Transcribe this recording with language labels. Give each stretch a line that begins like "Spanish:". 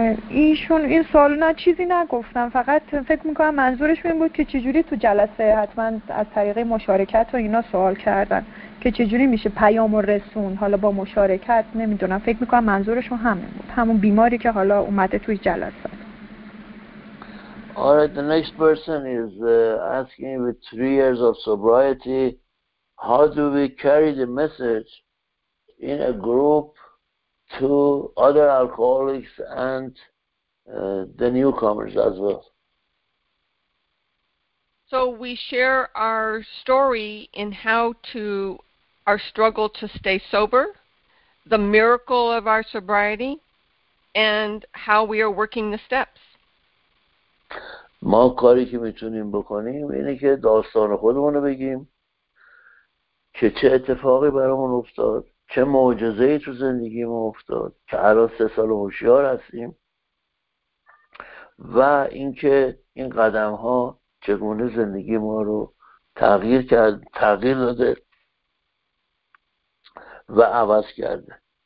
Persian: ایشون این سوال نه چیزی نگفتم، فقط فکر میکنم منظورش این بود که چجوری تو جلسه، حتما از طریق مشارکت و اینا سوال کردن که چجوری میشه پیام و رسون، حالا با مشارکت، نمیدونم، فکر میکنم منظورشون همین بود، همون بیماری که حالا اومده توی جلسه.
English: All right, the next person is asking with 3 years of sobriety, how do we carry the message in a group to other alcoholics and the newcomers as well? So we share our story in how to, our struggle to stay sober, the miracle of our sobriety, and how we are working the steps.
Persian: ما کاری که میتونیم بکنیم اینه که داستان خودمونو بگیم که چه اتفاقی برامون افتاد، چه معجزه‌ای تو زندگیمون افتاد که الان 3 سال هوشیار هستیم، و اینکه این قدم ها چگونه زندگی ما رو تغییر داده و عوض کرده.